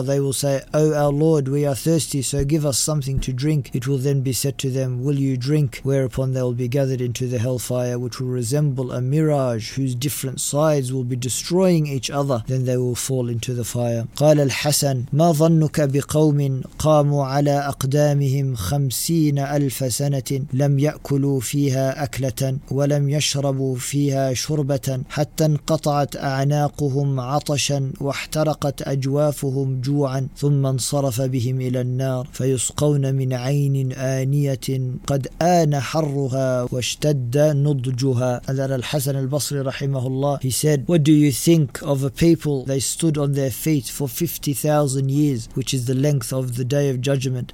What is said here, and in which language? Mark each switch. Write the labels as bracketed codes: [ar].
[en] They will say, O our Lord, we are thirsty, so give us something to drink. It will then be said to them, will you drink? Whereupon they will be gathered into the hellfire, which will resemble a mirage whose different sides will be destroying each other. Then they will fall into the fire. [ar] قال الحسن ما ظنك بقوم قاموا على أقدامهم 50,000 سنة لم يأكلوا فيها أكلة ولم يشربوا فيها شربة حتى انقطعت أعناقهم عطشا واحترقت أجوافهم جوعا عن ثم انصرف بهم إلى النار فيسقون من عين آنية قد آن حرها واشتد نضجها. [en] And then Al-Hasan al-Basri rahimahullah, he said, what do you think of a people, they stood on their feet for 50,000 years, which is the length of the Day of Judgment.